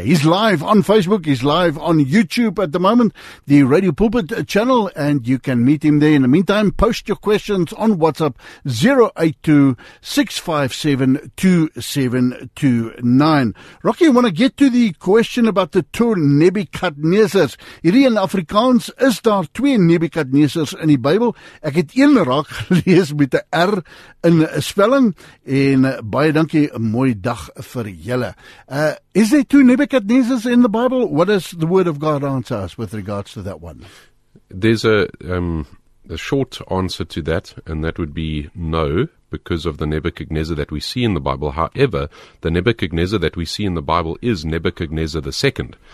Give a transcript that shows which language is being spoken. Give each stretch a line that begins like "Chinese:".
English: He's live on Facebook, he's live on YouTube at the moment, the Radio Pulpit channel, and you can meet him there. In the meantime, post your questions on WhatsApp 082-657-2729. Rocky, want to get to the question about the two Nebuchadnezzars.
Afrikaans: Hierdie in Afrikaans, is daar twee Nebuchadnezzars in die Bybel? Ek het een raak gelees met 'n R in 'n spelling en baie dankie, 'n mooi dag vir julle.
English: Is there two Nebuchadnezzars in the Bible? What does the word of God answer us with regards to that one? There's a short answer to that, and that would be no, because of the Nebuchadnezzar that we see in the Bible. However, the Nebuchadnezzar that we see in the Bible is Nebuchadnezzar the second.